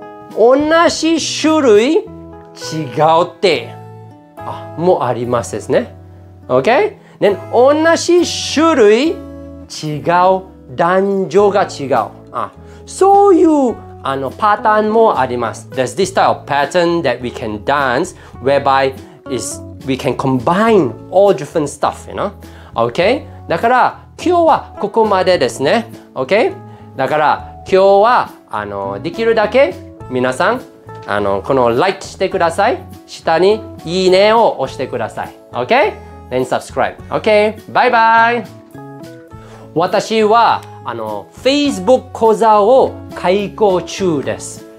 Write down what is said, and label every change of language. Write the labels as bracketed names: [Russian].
[Japanese] 同じ種類違うってあもありますですね。 OK? ね、同じ種類違う、男女が違う。あそういうあのパターンもあります。 [English] There's this style pattern that we can dance whereby is we can combine all different stuff, you know? OK? [Japanese] だから今日はここまでですね。 [English] OK? [Japanese] だから今日はあのできるだけ皆さんあのこの like してください。下にいいねを押してください。 [English] OK? Then subscribe. OK? Bye bye! [Japanese] 私はあの Facebook 講座を開講中です。